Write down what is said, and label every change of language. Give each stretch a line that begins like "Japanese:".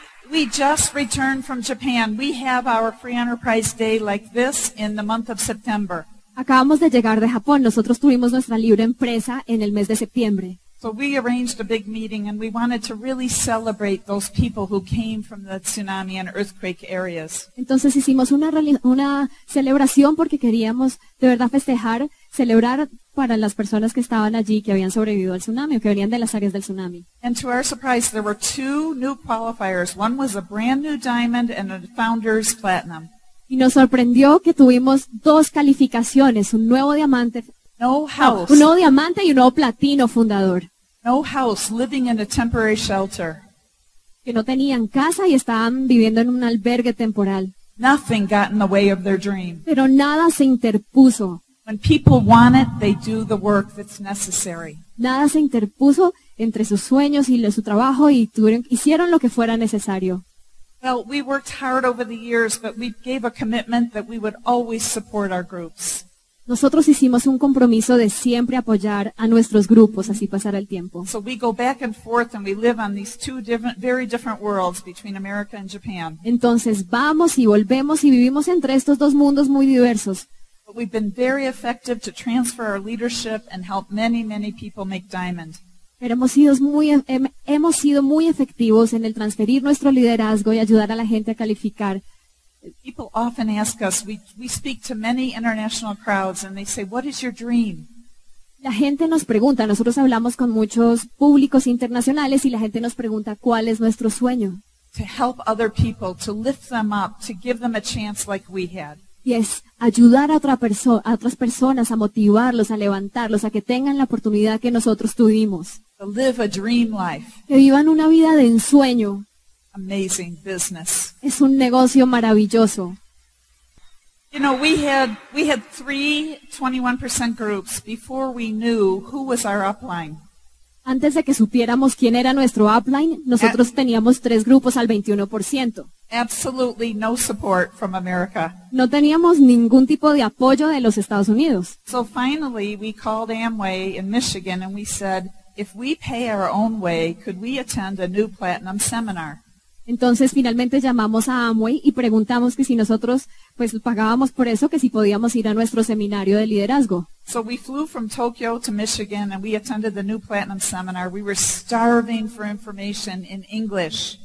English: We just returned from Japan. We have our free enterprise day like this in the month of September.
Spanish: Acabamos de llegar de Japón. Nosotros tuvimos nuestra libre empresa en el mes de septiembre.
English: So we arranged a big meeting and we wanted to really celebrate those people who came from the tsunami and earthquake areas.
Spanish: Entonces hicimos una celebración porque queríamos de verdad festejar, celebrar para las personas que estaban allí que habían sobrevivido al tsunami o que venían de las áreas del tsunami.
English: And to our surprise, there were two new qualifiers. One was a brand new diamond and a founder's platinum.
Spanish: Y nos sorprendió que tuvimos dos calificaciones, un nuevo diamante.
English: No house.
Spanish: Un nuevo diamante y un nuevo platino fundador.
English: No house, living in a temporary shelter.
Spanish: Que no tenían casa y estaban viviendo en un albergue temporal.
English: Nothing got in the way of their dream.
Spanish: Pero nada se interpuso.
English: When people want it, they do the work that's necessary.
Spanish: Nada se interpuso entre sus sueños y su trabajo y hicieron lo que fuera necesario.
English: Well, we worked hard over the years, but we gave a commitment that we would always support our groups.
Spanish: Nosotros hicimos un compromiso de siempre apoyar a nuestros grupos, así pasara el tiempo.
English: So we go back and forth and we live on these two different, very different worlds between America and Japan.
Spanish: Entonces vamos y volvemos y vivimos entre estos dos mundos muy diversos.
English: But we've been very effective to transfer our leadership and help many, many people make diamond.
Spanish: Pero hemos sido muy efectivos en el transferir nuestro liderazgo y ayudar a la gente a calificar.
English: People often ask us, we speak to many international crowds, and they say, what is your dream?
Spanish: La gente nos pregunta, nosotros hablamos con muchos públicos internacionales y la gente nos pregunta cuál es nuestro sueño.
English: To help other people, to lift them up, to give them a chance like we had.
Spanish: Y es ayudar a otra persona, a otras personas, a motivarlos, a levantarlos, a que tengan la oportunidad que nosotros tuvimos.
English: To live a dream life.
Spanish: Que vivan una vida de ensueño.
English: Amazing business.
Spanish: Es un negocio maravilloso.
English: You know, we had 3 21% groups before we knew who was our upline.
Spanish: Antes de que supiéramos quién era nuestro upline, nosotros teníamos 3 grupos al 21%.
English: Absolutely no support from America.
Spanish: No teníamos ningún tipo de apoyo de los Estados Unidos.
English: So finally we called Amway in Michigan and we said, if we pay our own way, could we attend a new platinum seminar?
Spanish: Entonces finalmente llamamos a Amway y preguntamos que si nosotros pues pagábamos por eso, que si podíamos ir a nuestro seminario de liderazgo.
English: So we flew from Tokyo to Michigan and we attended the new platinum seminar. We were starving for information in English.